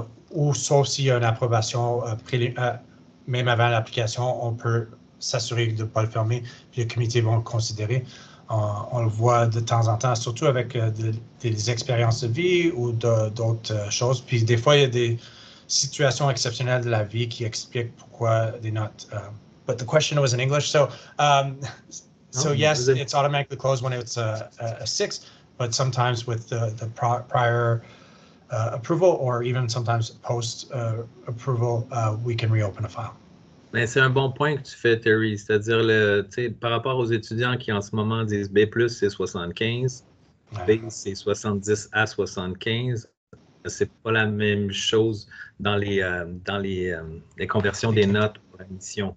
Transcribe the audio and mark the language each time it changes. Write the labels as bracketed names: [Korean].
[French] Ou sauf s'il y a une approbation, même avant l'application, on peut s'assurer de ne pas le fermer, puis le comité va le considérer. On le voit de temps en temps, surtout avec des expériences de vie ou d'autres choses. Puis des fois, il y a des situations exceptionnelles de la vie qui expliquent pourquoi des notes. [English] But the question was in English, so... So yes, it's automatically closed when it's a 6, but sometimes with the prior approval or even sometimes post approval, we can reopen a file. [French] Mais c'est un bon point que tu fais, Terry. C'est-à-dire, le, tu sais, par rapport aux étudiants qui en ce moment disent B+, c'est 75, B, c'est 70 à 75. C'est pas la même chose dans les conversions des notes pour l'admission.